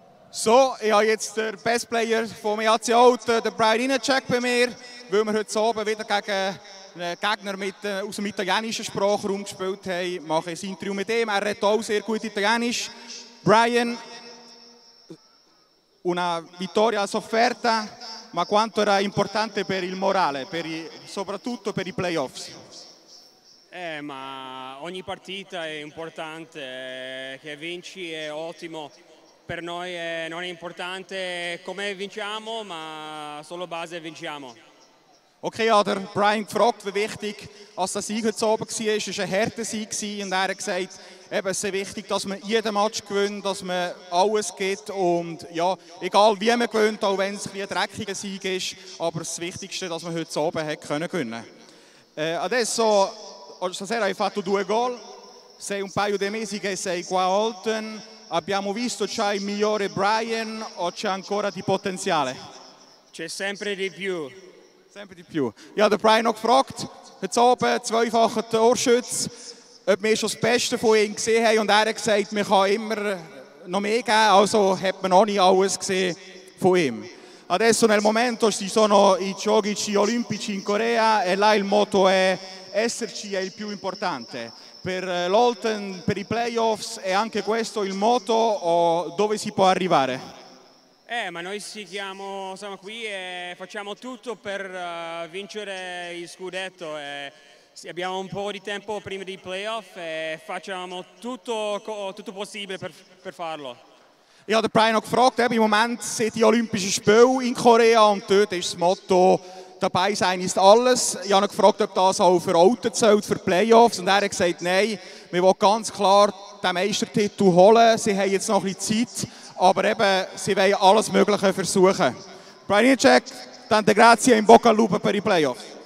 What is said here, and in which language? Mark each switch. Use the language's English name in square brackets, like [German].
[German] So, ich habe jetzt den Best Player vom EHC Olten, den Brian Inacek, bei mir, weil wir heute Abend wieder gegen einen Gegner aus dem italienischen Sprachraum gespielt haben. Ich mache ein Interview mit ihm, er redet auch sehr gut Italienisch. [Italian] Brian, una vittoria sofferta, ma quanto era importante per il morale, soprattutto per i playoffs? Ma ogni partita è importante, che vinci è ottimo. Per noi non è importante come vinciamo, ma solo base vinciamo. [German] Ok, Adam, Brian gefragt, wie wichtig als der Sieg heute Abend war. Es war ein harter Sieg und er hat gesagt, eben, es ist wichtig, dass man jeden Match gewinnt, dass man alles gibt. Und ja, egal wie man gewinnt, auch wenn es ein dreckiger Sieg ist, aber das Wichtigste, dass man heute Abend hat gewinnen können. [Italian] Adesso, stasera hai fatto due gol, sei un paio di mesi che sei qua a Olten. Abbiamo visto, c'hai il migliore Brian o c'è ancora di potenziale? C'è sempre di più. Sempre di più. [German] Ja, der Brian noch gefragt, jetzt oben, zweifacher Torschütz, ob wir schon das Beste von ihm gesehen haben. Und er hat gesagt, man kann immer noch mehr geben, also hat man noch nicht alles gesehen von ihm. [Italian] Adesso nel momento ci sono i giochi olimpici in Corea e là il motto è esserci è il più importante. Per l'Olten, per i playoffs, è anche questo il moto o dove si può arrivare? Ma noi siamo qui e facciamo tutto per vincere il scudetto. E abbiamo un po' di tempo prima dei playoff e facciamo tutto possibile per farlo. [German] Ja, der Brian hat gefragt, im Moment sind die Olympischen Spiele in Korea und dort ist das Motto «Dabei sein ist alles». Ich habe gefragt, ob das auch für Olten zählt, für Playoffs, und er hat gesagt, nein, wir wollen ganz klar den Meistertitel holen, sie haben jetzt noch ein bisschen Zeit, aber eben, sie wollen alles Mögliche versuchen. Brian Inacek, dann [Italian] grazie in bocca al lupo per i Playoffs.